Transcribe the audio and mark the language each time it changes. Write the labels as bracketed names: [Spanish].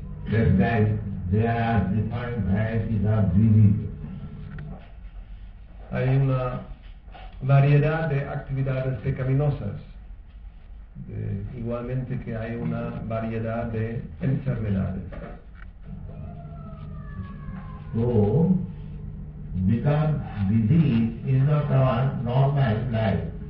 [English] Just like there are different varieties of diseases. [Spanish] Hay una variedad de actividades pecaminosas, igualmente que hay una variedad de enfermedades. [English] So, because disease is not our normal life.